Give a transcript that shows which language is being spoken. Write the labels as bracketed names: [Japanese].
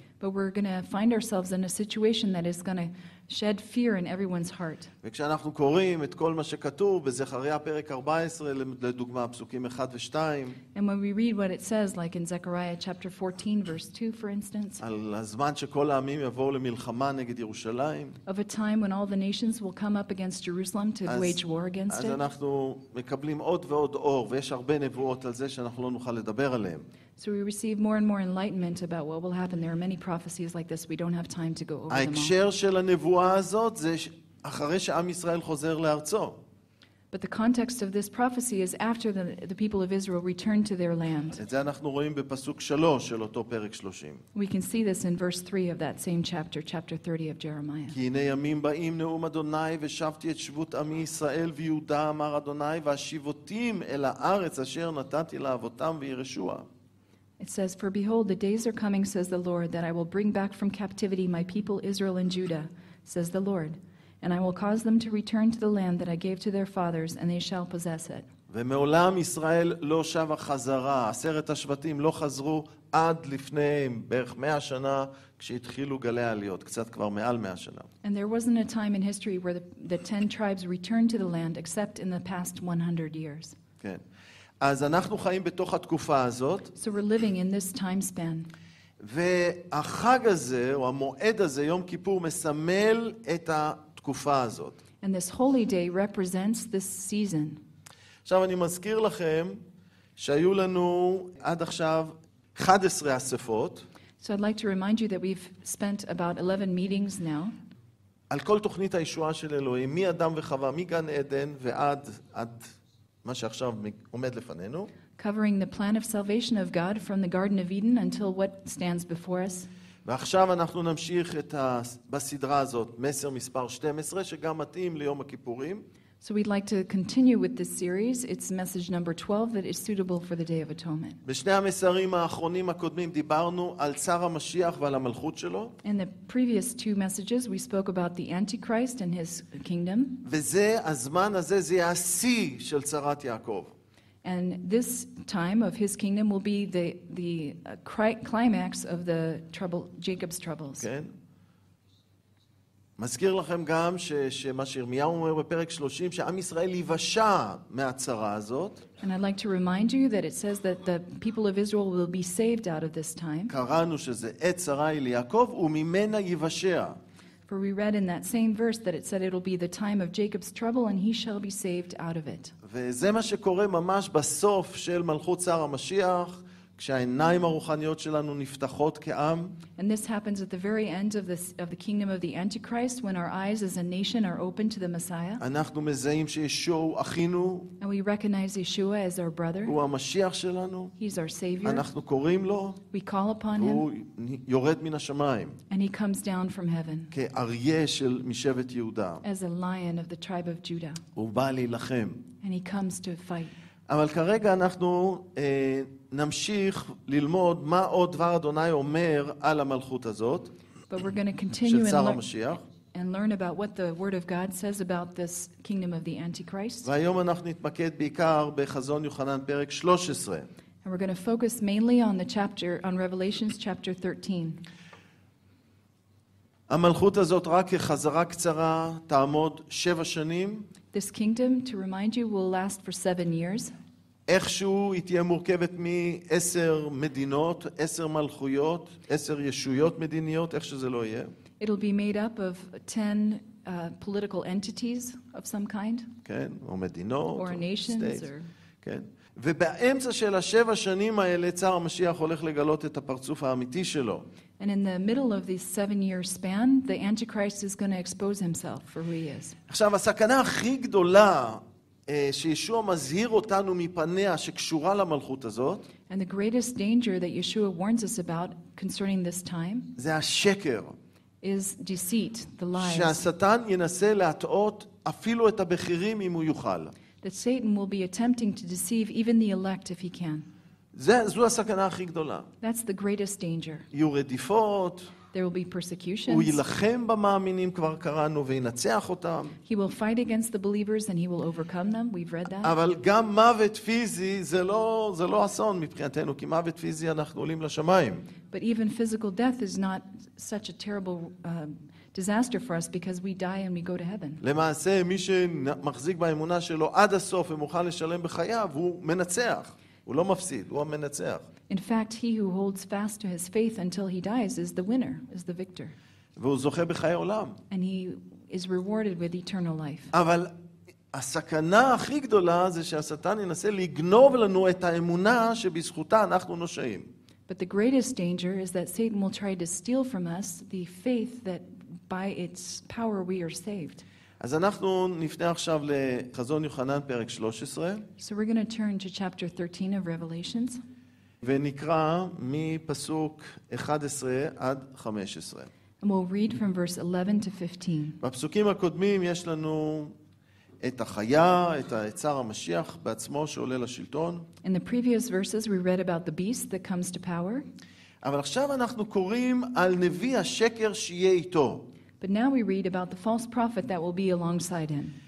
[English] But we're going to find ourselves in a situation that is going to shed fear in everyone's heart. [Hebrew] וכשאנחנו קוראים את כל מה שכתוב בזכריה פרק 14 לדוגמה פסוקים 1 ו-2. [English] And when we read what it says like in Zechariah chapter 14 verse 2 for instance. [Hebrew] על הזמן שכל העמים יבואו למלחמה נגד ירושלים. [English] Of a time when all the nations will come up against Jerusalem to wage war against it. [Hebrew] אז אנחנו מקבלים עוד ועוד אור ויש הרבה נבואות על זה שאנחנו לא נוכל לדבר עליהם. [English] So we receive more and more enlightenment about what will happen. There are many prophecies like this. We don't have time to go over them. [Hebrew] ההקשר של הנבואה הזאת זה אחרי שעם ישראל חוזר לארצו. [English] But the context of this prophecy is after the people of Israel return to their land. [Hebrew] את זה אנחנו רואים בפסוק 3 של אותו פרק 30. [English] We can see this in verse 3 of that same chapter, chapter 30 of Jeremiah. [Hebrew] כי הנה ימים באים נאום אדוני ושבתי את שבות עמי ישראל ויהודה אמר אדוני והשיבותים אל הארץ אשר נתתי לאבותם וירשוה. [English] It says, For behold, the days are coming, says the Lord, that I will bring back from captivity my people Israel and Judah, says the Lord, and I will cause them to return to the land that I gave to their fathers, and they shall possess it. [Hebrew] ומעולם ישראל לא שבה חזרה. עשרת השבטים לא חזרו עד לפניהם, בערך 100 שנה, כשהתחילו גלי עליות, קצת כבר מעל 100 שנה. [English] And there wasn't a time in history where the 10 tribes returned to the land except in the past 100 years. [Hebrew] כן. אז אנחנו חיים בתוך התקופה הזאת. [English] So we're living in this time span. [Hebrew] והחג הזה, או המועד הזה, יום כיפור, מסמל את התקופה הזאת. [English] And this holy day represents this season. [Hebrew] עכשיו אני מזכיר לכם שהיו לנו עד עכשיו 11 אספות. [English] So I'd like to remind you that we've spent about 11 meetings now. [Hebrew] על כל תוכנית הישועה של אלוהים, מי אדם וחווה, מי גן עדן ועד מה שעכשיו עומד לפנינו. [English] Covering the plan of salvation of God from the Garden of Eden until what stands before us. [Hebrew] ועכשיו אנחנו נמשיך את בסדרה הזאת, מסר מספר 12, שגם מתאים ליום הכיפורים. [English] So we'd like to continue with this series. It's message number 12 that is suitable for the Day of Atonement. [Hebrew] בשני המסרים האחרונים הקודמים דיברנו על צר המשיח ועל המלכות שלו. [English] In the previous two messages we spoke about the Antichrist and his kingdom. [Hebrew] וזה הזמן הזה זה השיא של צרת יעקב. [English] And this time of his kingdom will be the climax of the trouble Jacob's troubles. [Hebrew] כן. מזכיר לכם גם שמה שירמיהו אומר בפרק 30 שעם ישראל יבשע מהצרה הזאת. [English] And I'd like to remind you that it says that the people of Israel will be saved out of this time. [Hebrew] קראנו שזה עת צרה היא ליעקב וממנה יבשע. [English] For we read in that same verse that it said it'll be the time of Jacob's trouble and he shall be saved out of it. [Hebrew] וזה מה שקורה ממש בסוף של מלכות צר המשיח. כשהעיניים הרוחניות שלנו נפתחות כעם, [English] and this happens at the very end of this of the kingdom of the antichrist when our eyes as a nation are open to the messiah. [Hebrew] אנחנו מזהים שישוע אחינו, [English] and we recognize Yeshua as our brother. [Hebrew] הוא המשיח שלנו, [English] he's our savior. [Hebrew] אנחנו קוראים לו, [English] we call upon him. [Hebrew] הוא יורד מן השמיים, [English] and he comes down from heaven. [Hebrew] כאריה של משבט יהודה, [English] as a lion of the tribe of Judah. [Hebrew] הוא בא להילחם, [English] and he comes to fight. [Hebrew] אבל כרגע אנחנו נמשיך ללמוד מה עוד דבר אדוני אומר על המלכות הזאת של שר המשיח, [English] and learn about what the word of God says about this kingdom of the antichrist. [Hebrew] והיום אנחנו נתמקד בעיקר בחזון יוחנן פרק 13, [English] and we're going to focus mainly on the chapter on Revelations chapter 13. [Hebrew] המלכות הזאת רק כחזרה קצרה תעמוד 7 שנים. [English] This kingdom, to remind you, will last for 7 years. [Hebrew] איכשהו היא תהיה מורכבת מ-10 מדינות, 10 מלכויות, 10 ישויות מדיניות, איכשהו זה לא יהיה. [English] It'll be made up of 10 political entities of some kind. [Hebrew] כן, או מדינות, [English] or nations, states. Or... [Hebrew] כן. ובאמצע של השבע שנים האלה, צר המשיח הולך לגלות את הפרצוף האמיתי שלו. [English] And in the middle of this 7-year span, the Antichrist is going to expose himself for who he is. [Hebrew] עכשיו, הסכנה הכי גדולה שישוע מזהיר אותנו מפניה שקשורה למלכות הזאת, [English] and the greatest danger that Yeshua warns us about concerning this time, [Hebrew] זה השקר, [English] is deceit, the lies. [Hebrew] שהשטן ינסה להטעות אפילו את הבכירים אם הוא יוכל. [English] That Satan will be attempting to deceive even the elect if he can. [Hebrew] זו הסכנה הכי גדולה. [English] That's the greatest danger. [Hebrew] יהיו רדיפות. [English] There will be persecutions. [Hebrew] הוא יילחם במאמינים, כבר קראנו, וינצח אותם. [English] He will fight against the believers and he will overcome them. We've read that. [Hebrew] אבל גם מוות פיזי זה לא אסון מבחינתנו, כי מוות פיזי אנחנו עולים לשמיים. [English] But even physical death is not such a terrible disaster for us because we die and we go to heaven. [Hebrew] למעשה, מי שמחזיק באמונה שלו עד הסוף ומוכן לשלם בחייו, הוא מנצח. הוא לא מפסיד, הוא המנצח. [English] In fact, he who holds fast to his faith until he dies is the winner, is the victor. [Hebrew] והוא זוכה בחיי עולם. [English] And he is rewarded with eternal life. [Hebrew] אבל הסכנה הכי גדולה זה שהשטן ינסה לגנוב לנו את האמונה שבזכותה אנחנו נושאים. [English] But the greatest danger is that Satan will try to steal from us the faith that by its power we are saved. [Hebrew] אז אנחנו נפנה עכשיו לחזון יוחנן פרק 13. [English] So we're going to turn to chapter 13 of Revelations. [Hebrew] ונקרא מפסוק 11 עד 15. [English] And we'll read from verse 11 to 15. [Hebrew] בפסוקים הקודמים יש לנו את החיה, את הצר המשיח בעצמו שעולה לשלטון. [English] In the previous verses we read about the beast that comes to power. [Hebrew] אבל עכשיו אנחנו קוראים על נביא השקר שיהיה איתו. [English] But now we read about the false prophet that will be alongside him.